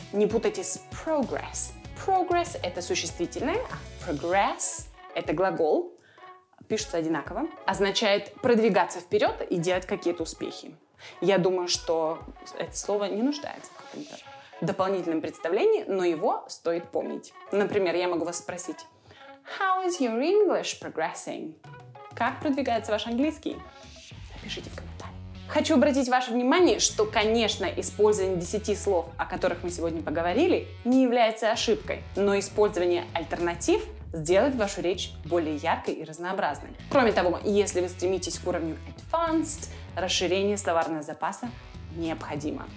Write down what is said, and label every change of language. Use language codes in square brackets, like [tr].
[ru] Не путайте с progress. Progress – это существительное, а progress – это глагол. Пишется одинаково. Означает продвигаться вперед и делать какие-то успехи. Я думаю, что это слово не нуждается в каком-то дополнительном представлении, но его стоит помнить. Например, я могу вас спросить. [en] How is your English progressing? [ru] Как продвигается ваш английский? Напишите в комментариях. Хочу обратить ваше внимание, что, конечно, использование 10 слов, о которых мы сегодня поговорили, не является ошибкой, но использование альтернатив сделает вашу речь более яркой и разнообразной. Кроме того, если вы стремитесь к уровню advanced, расширение словарного запаса необходимо.